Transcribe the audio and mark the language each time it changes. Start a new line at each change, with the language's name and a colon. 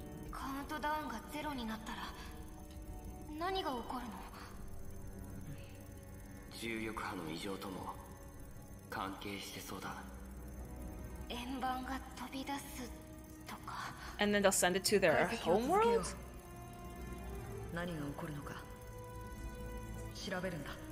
Japanese: カウントダウンがゼロになったら何が起こるの？重力波の異常とも関係してそうだ。円盤が飛び出すとか。
English: And then they'll send it to their home world?
Japanese: 何が起こるのか調べるんだ。